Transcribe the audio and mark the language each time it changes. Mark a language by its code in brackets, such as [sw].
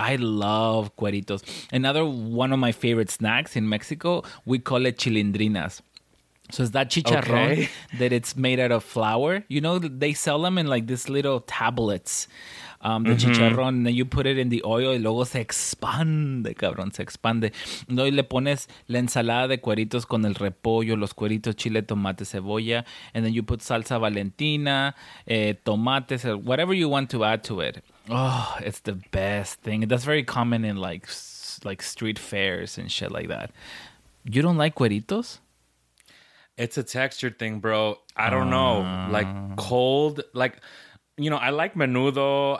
[en] I love cueritos. Another one of my favorite snacks in Mexico, we call it chilindrinas. So it's that chicharrón that it's made out of flour. You know, they sell them in like these little tablets, the chicharrón. And then you put it in the oil [es] y luego se expande, [en] cabrón, se expande. [es] No, y le pones la ensalada de cueritos con el repollo, los cueritos, chile, tomate, cebolla. [en] And then you put salsa valentina, tomates, whatever you want to add to it. Oh, it's the best thing. That's very common in like street fairs and shit like that. You don't like cueritos? It's a texture thing, bro. I don't know. Like cold, like, you know, I like menudo.